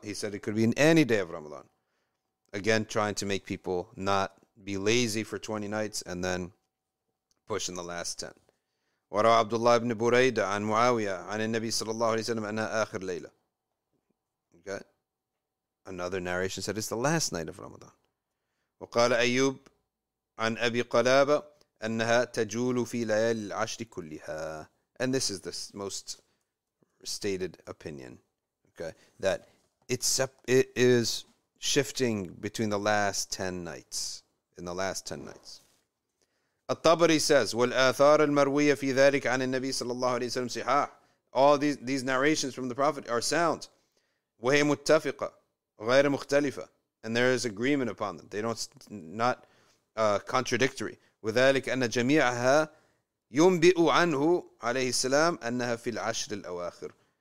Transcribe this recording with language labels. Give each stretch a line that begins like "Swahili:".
English: He said it could be in any day of Ramadan. Again, trying to make people not be lazy for 20 nights and then push in the last 10.
Arabic: وروى عبد الله بن بريدة عن معاوية عن النبي صلى الله عليه وسلم أنها آخر ليلة.
English: Okay. Another narration said it's the last night of Ramadan.
Arabic: وقال أيوب عن أبي قلابة أنها تجول في ليالي العشر كلها.
English: And this is the most stated opinion. Okay. That it is shifting between the last 10 nights. In the last 10 nights.
Arabic: الطبري says والآثار المروية في ذلك عن النبي صلى الله عليه وسلم صحاح.
English: All these narrations from the Prophet are sound.
Arabic: وهي متفقة غير مختلفة.
English: And there is agreement upon them. They're not contradictory.
Arabic: وذلك أن جميعها يُنْبِئُ عَنْهُ عَلَيْهِ السَّلَامُ أَنَّهَا فِي الْعَشْرِ الْأَوَاخِرِ.